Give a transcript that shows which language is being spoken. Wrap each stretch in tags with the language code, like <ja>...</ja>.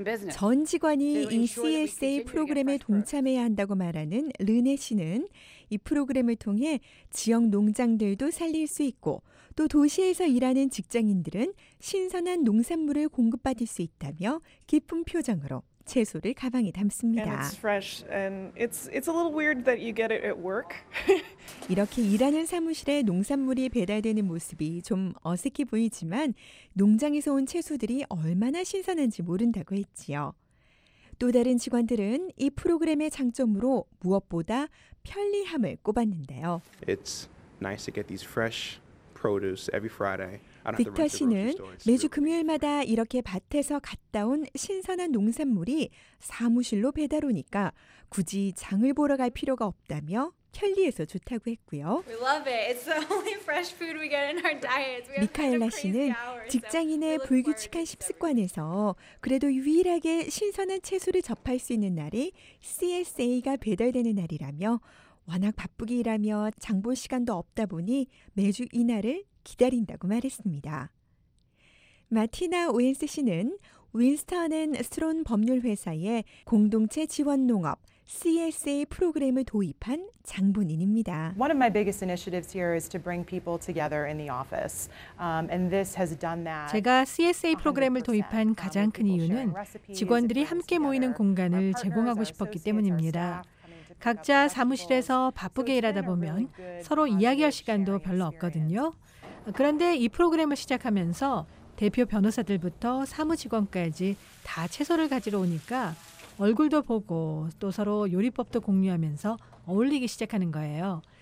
<ko>전 직원이 이 CSA 프로그램에 동참해야 한다고 말하는 르네 씨는 이 프로그램을 통해 지역 농장들도 살릴 수 있고 또 도시에서 일하는 직장인들은 신선한 농산물을 공급받을 수 있다며 기쁜 표정으로 채소를 가방에 담습니다.</ko> <en>And it's fresh and it's a little weird that you get it at work.</en> <ko>이렇게 일하는 사무실에 농산물이 배달되는 모습이 좀 어색해 보이지만 농장에서 온 채소들이 얼마나 신선한지 모른다고 했지요. 또 다른 직원들은 이 프로그램의 장점으로 무엇보다 편리함을 꼽았는데요.</ko> <en>It's nice to get these fresh produce every Friday.</en> <ko>빅터 씨는 매주 금요일마다 이렇게 밭에서 갔다 온 신선한 농산물이 사무실로 배달 오니까 굳이 장을 보러 갈 필요가 없다며 편리해서 좋다고 했고요. 미카엘라 씨는 직장인의 불규칙한 식습관에서 그래도 유일하게 신선한 채소를 접할 수 있는 날이 CSA가 배달되는 날이라며 워낙 바쁘게 일하며 장 볼 시간도 없다 보니 매주 이날을 기다린다고 말했습니다. 마티나 오엔스 씨는 윈스턴 앤 스트론 법률회사의 공동체 지원 농업 CSA 프로그램을 도입한 장본인입니다.</ko> <en>One of my biggest initiatives here is to bring people together in the office. And this has done that.</en> <ko>제가 CSA 프로그램을 도입한 가장 큰 이유는 직원들이 함께 모이는 공간을 제공하고 싶었기 때문입니다. 각자 사무실에서 바쁘게 일하다 보면 서로 이야기할 시간도 별로 없거든요. 그런데 이 프로그램을 시작하면서 대표 변호사들부터 사무직원까지 다 채소를 가지러 오니까 얼굴도 보고 또 서로 요리법도 공유하면서 어울리기 시작하는 거예요.</ko>